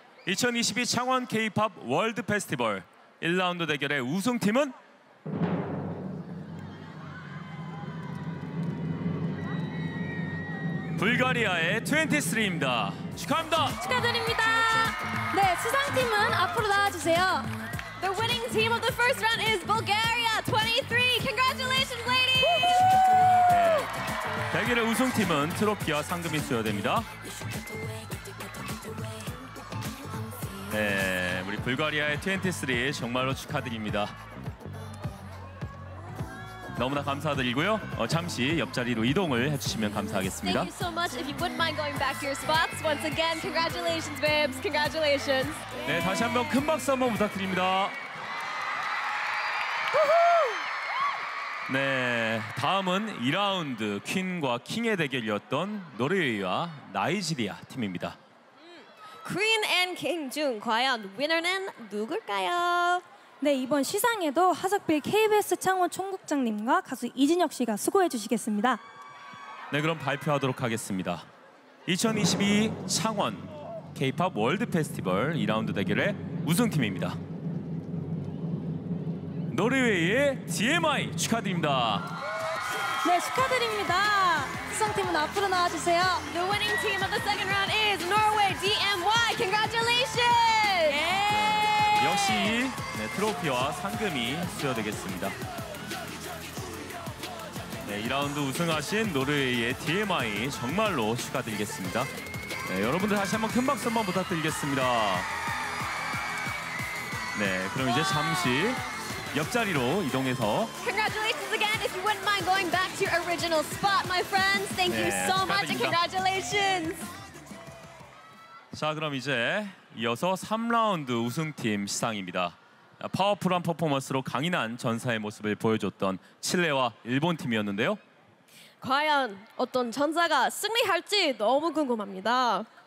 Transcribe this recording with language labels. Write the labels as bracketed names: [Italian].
[Korean] 2022 창원 K-POP 월드 페스티벌 1라운드 대결의 우승팀은 불가리아의 23입니다. 축하합니다. 축하드립니다. 네, 수상팀은 앞으로 나와주세요. [English] The winning team of the first round is Bulgaria 23. Congratulations, ladies! [Korean] 대결의 우승팀은 트로피와 상금이 수여됩니다. 네, 우리 불가리아의 23 정말로 축하드립니다. 너무나 감사드리고요. 잠시 옆자리로 이동을 해주시면 감사하겠습니다. [English] Thank you so much. If you wouldn't mind going back to your spots once again, congratulations, babes. Congratulations. [Korean] 네, 다시 한번 큰 박수 한번 부탁드립니다. 네, 다음은 2라운드 퀸과 킹의 대결이었던 노르웨이와 나이지리아 팀입니다. [English] Queen and King [Korean] 중 과연 winner는 누굴까요? 네, 이번 시상에도 하석빌 KBS 창원 총국장님과 가수 이진혁 씨가 수고해 주시겠습니다. 네, 그럼 발표하도록 하겠습니다. 2022 창원 K-POP 월드 페스티벌 2라운드 대결의 우승팀입니다. 노르웨이의 DMI 축하드립니다. 네, 축하드립니다. 수상팀은 앞으로 나와주세요. [English] The winning team of the second round is Norway DMY. Congratulations! [Korean] 네, 역시 네, 트로피와 상금이 수여되겠습니다. 네, 2라운드 우승하신 노르웨이의 DMI 정말로 축하드리겠습니다. 네, 여러분들 다시 한번 큰 박수 한번 부탁드리겠습니다. 네, 그럼 이제 잠시 옆자리로 이동해서 [English] Congratulations again if you wouldn't mind going back to your original spot my friends. Thank you so much and congratulations. [Korean] 자, 그럼 이제 이어서 3라운드 우승팀 시상입니다. 파워풀한 퍼포먼스로 강인한 전사의 모습을 보여줬던 칠레와 일본 팀이었는데요. 과연 어떤 전사가 승리할지 너무 궁금합니다.